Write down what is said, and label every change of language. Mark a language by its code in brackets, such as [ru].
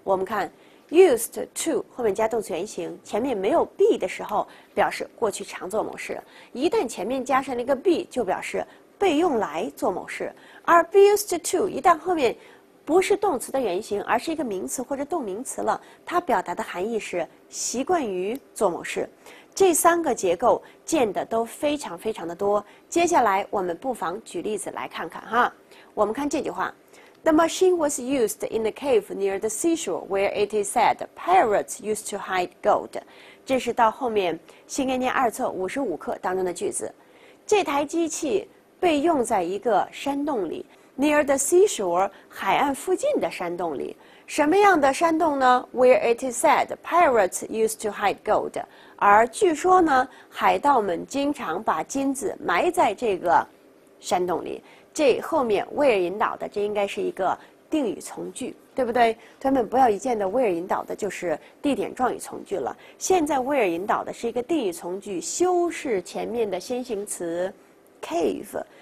[zh] 我们看 used to 后面加动词原形，前面没有 be 的时候表示过去常做某事，一旦前面加上了一个 be 就表示被用来做某事，而 be used to 一旦后面不是动词的原型，而是一个名词或者动名词了，它表达的含义是习惯于做某事。这三个结构见的都非常非常的多。接下来我们不妨举例子来看看哈。我们看这句话。 [en] The machine was used in a cave near the seashore where it is said pirates used to hide gold. [zh] 这是到后面新概念二册55课当中的句子。这台机器被用在一个山洞里。 [en] Near the seashore, [zh] 海岸附近的山洞里。什么样的山洞呢？ [en] Where it is said, pirates used to hide gold. [zh] 而据说呢，海盗们经常把金子埋在这个山洞里。这后面 where 引导的，这应该是一个定语从句，对不对？同学们不要一见到 where 引导的就是地点状语从句了。现在 where 引导的是一个定语从句，修饰前面的先行词 cave。